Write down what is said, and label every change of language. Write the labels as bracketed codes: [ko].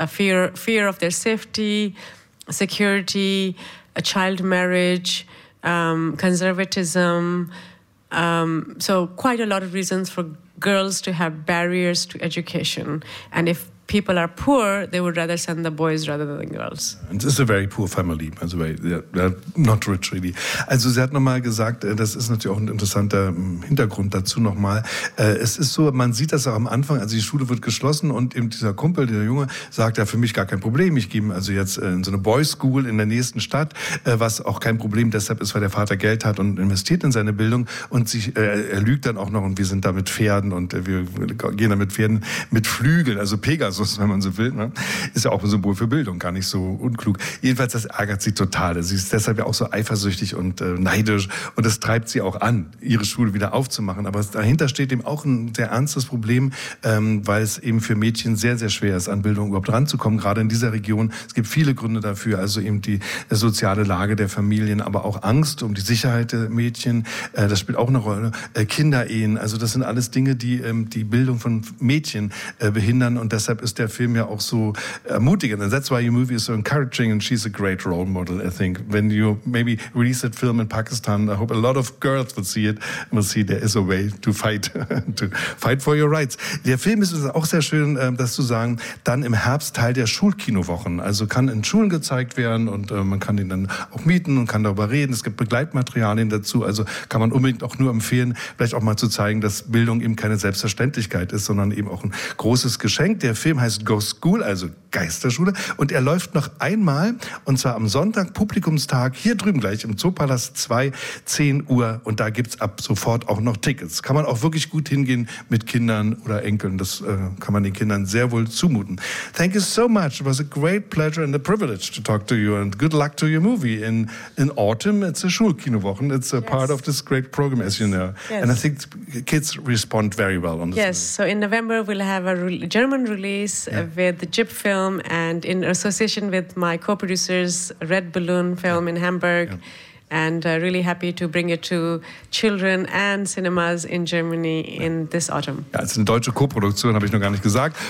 [en] Fear of their safety, security, a child marriage, conservatism, so quite a lot of reasons for girls to have barriers to education. And if people are poor, they would rather send the boys rather than the girls. And this is a very poor family, by the way. They're not rich, really. [de] Also sie hat nochmal gesagt, das ist natürlich auch ein interessanter Hintergrund dazu nochmal. Es ist so, man sieht das auch am Anfang, also die Schule wird geschlossen und eben dieser Kumpel, dieser Junge, sagt ja, für mich gar kein Problem, ich gehe also jetzt in so eine Boys' School in der nächsten Stadt, was auch kein Problem deshalb ist, weil der Vater Geld hat und investiert in seine Bildung und er lügt dann auch noch und wir sind da mit Pferden und wir gehen da mit Pferden mit Flügeln, also Pegasus. Wenn man so will, ne? Ist ja auch ein Symbol für Bildung, gar nicht so unklug. Jedenfalls, das ärgert sie total. Sie ist deshalb ja auch so eifersüchtig und neidisch und das treibt sie auch an, ihre Schule wieder aufzumachen. Aber dahinter steht eben auch ein sehr ernstes Problem, weil es eben für Mädchen sehr, sehr schwer ist, an Bildung überhaupt ranzukommen, gerade in dieser Region. Es gibt viele Gründe dafür, also eben die soziale Lage der Familien, aber auch Angst um die Sicherheit der Mädchen, das spielt auch eine Rolle. Kinderehen, also das sind alles Dinge, die die Bildung von Mädchen behindern und deshalb ist ist der Film ja auch so ermutigend. [en] And that's why your movie is so encouraging and she's a great role model, I think. When you maybe release that film in Pakistan, I hope a lot of girls will see it and will see there is a way to fight to fight for your rights. [de] Der Film ist auch sehr schön, das zu sagen, dann im Herbst Teil der Schulkinowochen. Also kann in Schulen gezeigt werden und man kann ihn dann auch mieten und kann darüber reden. Es gibt Begleitmaterialien dazu. Also kann man unbedingt auch nur empfehlen, vielleicht auch mal zu zeigen, dass Bildung eben keine Selbstverständlichkeit ist, sondern eben auch ein großes Geschenk. Der Film heißt Go School, also Geisterschule. Und er läuft noch einmal, und zwar am Sonntag, Publikumstag, hier drüben gleich im Zoopalast 2, 10 Uhr. Und da gibt's ab sofort auch noch Tickets. Kann man auch wirklich gut hingehen mit Kindern oder Enkeln. Das kann man den Kindern sehr wohl zumuten. [en] Thank you so much. It was a great pleasure and a privilege to talk to you. And good luck to your movie in autumn. It's a Schulkinowochen. It's a part of this great program, as you know. Yes. And I think kids respond very well on this movie. So in November we'll have a German release with the Jip film. And in association with my co-producers, Red Balloon Film in Hamburg, and really happy to bring it to children and cinemas in Germany in this autumn. [de] Ja, es ist eine deutsche Co-Produktion, habe ich noch gar nicht gesagt.